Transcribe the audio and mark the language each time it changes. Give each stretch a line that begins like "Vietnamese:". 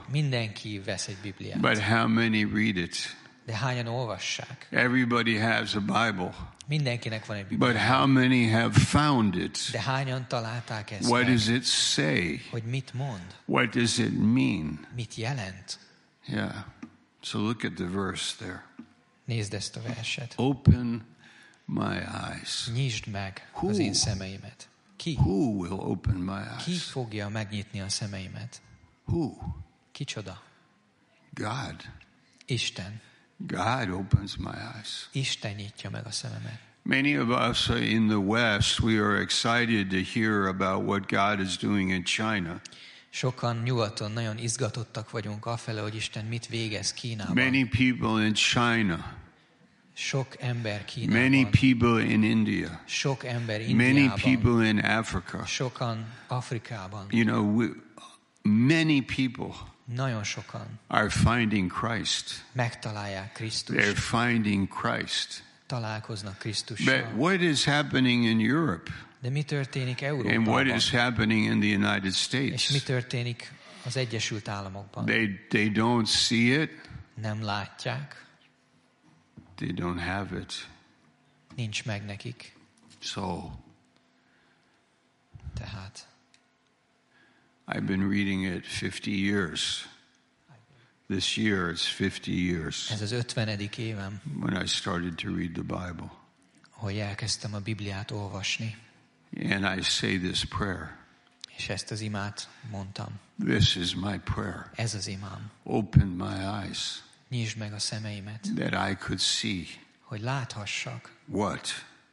Hungarian: Mindenki vesz egy Bibliát.
English: But how many read it?
Hungarian: De hányan olvassák?
English: Everybody has a Bible.
Hungarian: Mindenkinek van egy Biblia.
English: But how many have found it?
Hungarian: De hányan találták ezt?
English: What does it say?
Hungarian: Hogy mit mond?
English: What does it mean?
Hungarian: Mit jelent?
English: Yeah. So look at the verse there.
Hungarian: Nézd ezt a verset.
English: Open my eyes.
Hungarian: Nyisd meg az én szemeimet. Ki?
English: Who will open my eyes?
Hungarian: Ki fogja megnyitni a szemeimet?
English: Who?
Hungarian: Kicsoda?
English: God.
Hungarian: Isten.
English: God opens my eyes.
Hungarian: Isten nyitja meg a szememet.
English: Many of us in the West, we are excited to hear about what God is doing in China.
Hungarian: Sokan nyugaton nagyon izgatottak vagyunk afele, hogy Isten mit végez Kínában.
English: Many people in China.
Hungarian: Sok ember Kínában.
English: Many people in India.
Hungarian: Sok ember Indiában.
English: Many people in Africa.
Hungarian: Sokan Afrikában.
English: You know, many people.
Hungarian: Nagyon sokan.
English: Are finding Christ.
Hungarian: Megtalálják Krisztust.
English: They're finding Christ.
Hungarian: Találkoznak Krisztussal.
English: But what is happening in Europe?
Hungarian: De mi történik Európában?
English: And what is happening in the United States?
Hungarian: És mi történik az Egyesült Államokban?
English: They don't see it.
Hungarian: Nem látják.
English: They don't have it.
Hungarian: Nincs meg nekik.
English: So.
Hungarian: Tehát.
English: I've been reading it 50 years. This year it's 50 years.
Hungarian: Ez az 50. évem.
English: When I started to read the Bible.
Hungarian: Hogy elkezdtem a Bibliát olvasni.
English: And I say this prayer.
Hungarian: És ezt az imát mondtam.
English: This is my prayer.
Hungarian: Ez az imám.
English: Open my eyes.
Hungarian: Nyisd meg a szemeimet.
English: That I could see.
Hungarian: Hogy láthassak.
English: What?